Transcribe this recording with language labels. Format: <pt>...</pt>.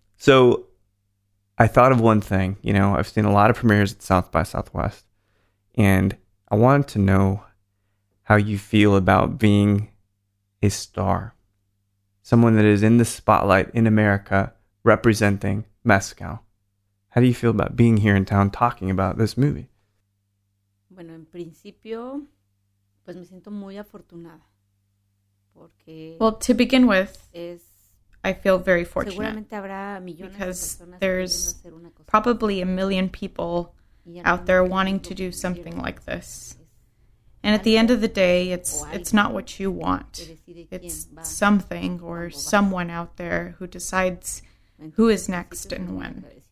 <en>So I thought of one thing. You know, I've seen a lot of premieres at South by Southwest, and I wanted to know how you feel about being a star, someone that is in the spotlight in America, representing mezcal. How do you feel about being here in town talking about this movie?</en> <es>Bueno, en principio, pues me siento muy afortunada porque</es> <en>well, to begin with, I feel very fortunate because there's probably a million people out there wanting to do something like this. And at the end of the day, it's not what you want. It's something or someone out there who decides who is next and when.</en>